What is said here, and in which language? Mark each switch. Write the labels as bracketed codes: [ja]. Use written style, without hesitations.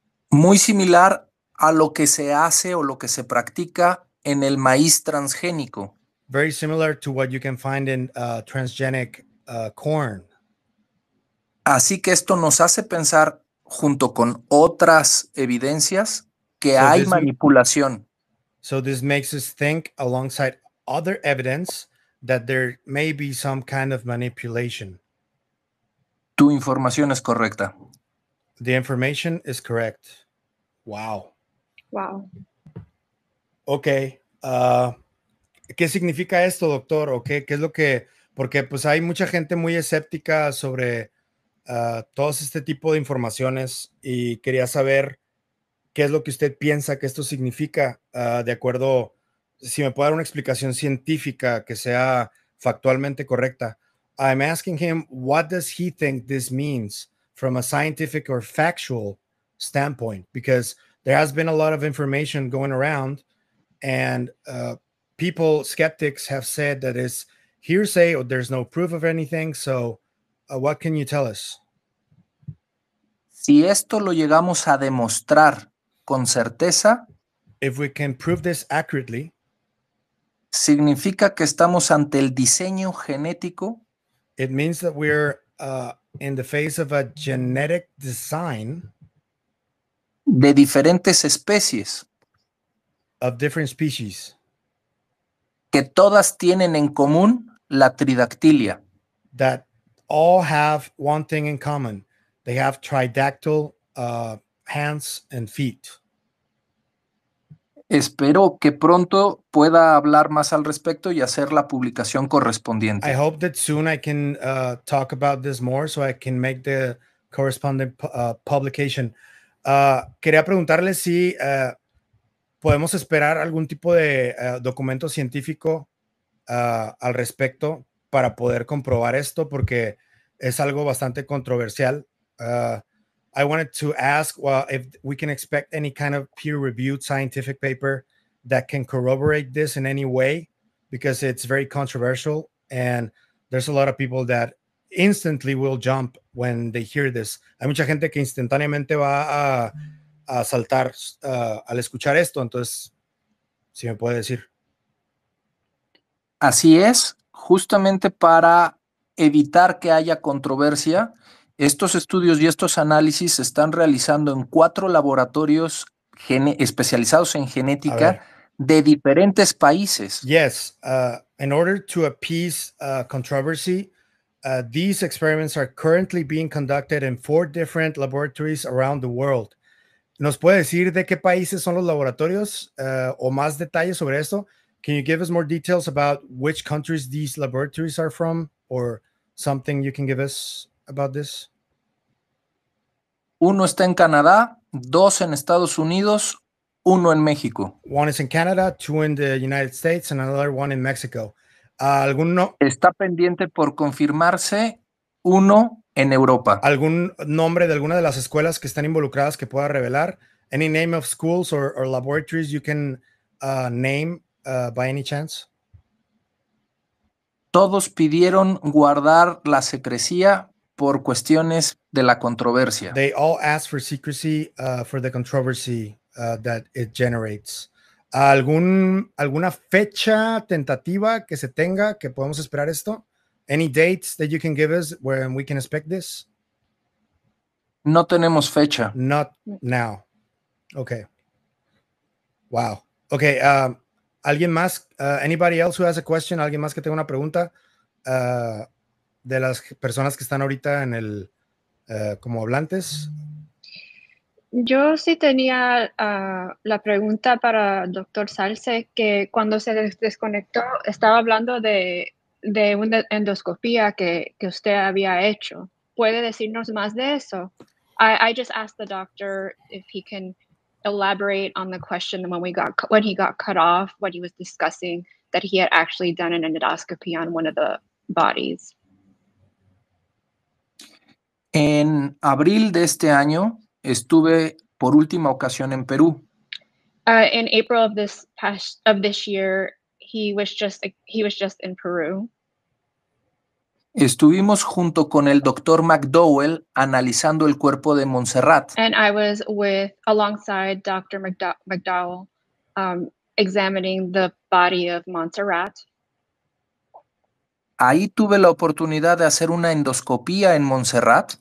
[es] Muy similar a lo que se hace o lo que se practica en el maíz transgénico. [en] Very similar to what you can find in transgenic corn. [es] Así que esto nos hace pensar, junto con otras evidencias, que hay manipulación. [en] So this makes us think, alongside other evidence, that there may be some kind of manipulation. [es] Tu información es correcta. [en] The information is correct. Wow. Wow. [es] Okay. ¿Qué significa esto, doctor? Okay. ¿Qué es lo que...? Porque pues hay mucha gente muy escéptica sobre todos este tipo de informaciones y quería saber qué es lo que usted piensa que esto significa, de acuerdo, si me puede dar una explicación científica que sea factualmente correcta. [en] I'm asking him, what does he think this means from a scientific or factual standpoint? Because there has been a lot of information going around, and people, skeptics, have said that it's hearsay or there's no proof of anything. So what can you tell us? [es] Si esto lo llegamos a demostrar con certeza, [en] if we can prove this accurately, [es] significa que estamos ante el diseño genético. [en] It means that we're in the face of a genetic design. [es] De diferentes especies. [en] Of different species. [es] Que todas tienen en común la tridactilia. [en] That all have one thing in common. They have tridactyl hands and feet. [es] Espero que pronto pueda hablar más al respecto y hacer la publicación correspondiente. [en] I hope that soon I can talk about this more so I can make the corresponding publication. [es] Quería preguntarle si podemos esperar algún tipo de documento científico al respecto para poder comprobar esto, porque es algo bastante controversial. [en] I wanted to ask if we can expect any kind of peer-reviewed scientific paper that can corroborate this in any way, because it's very controversial and there's a lot of people that instantly will jump when they hear this. [es] Hay mucha gente que instantáneamente va a saltar al escuchar esto. Entonces, si me puede decir. Así es, justamente para evitar que haya controversia. Estos estudios y estos análisis se están realizando en 4 laboratorios especializados en genética de diferentes países. [en] Yes, in order to appease controversy, these experiments are currently being conducted in 4 different laboratories around the world. [es] ¿Nos puede decir de qué países son los laboratorios o más detalles sobre esto? [en] Can you give us more details about which countries these laboratories are from, or something you can give us about this? [es] 1 está en Canadá, 2 en Estados Unidos, 1 en México. [en] 1 is in Canada, 2 in the United States, and another 1 in Mexico. [es] ¿Algún no? Está pendiente por confirmarse 1 en Europa. ¿Algún nombre de alguna de las escuelas que están involucradas que pueda revelar? [en] Any name of schools or laboratories you can name by any chance? [es] Todos pidieron guardar la secrecía por cuestiones de la controversia. [en] They all ask for secrecy for the controversy that it generates. [es] ¿Alguna fecha tentativa que se tenga que podemos esperar esto? [en] Any dates that you can give us when we can expect this? [es] No tenemos fecha. [en] Not now. Okay. Wow. Okay. [es] ¿Alguien más? [en] Anybody else who has a question? [es] ¿Alguien más que tenga una pregunta? De las personas que están ahorita en el como hablantes. Yo sí tenía la pregunta para el doctor Salce, que cuando se desconectó estaba hablando de una endoscopía que usted había hecho. ¿Puede decirnos más de eso? [en] I just asked the doctor if he can elaborate on the question when he got cut off, what he was discussing, that he had actually done an endoscopy on one of the bodies. [es] En abril de este año estuve por última ocasión en Perú. [en] In April of this year, he was just in Peru. [es] Estuvimos junto con el doctor McDowell analizando el cuerpo de Montserrat. [en] And I was alongside Dr. McDowell examining the body of Montserrat. [es] Ahí tuve la oportunidad de hacer una endoscopía en Montserrat.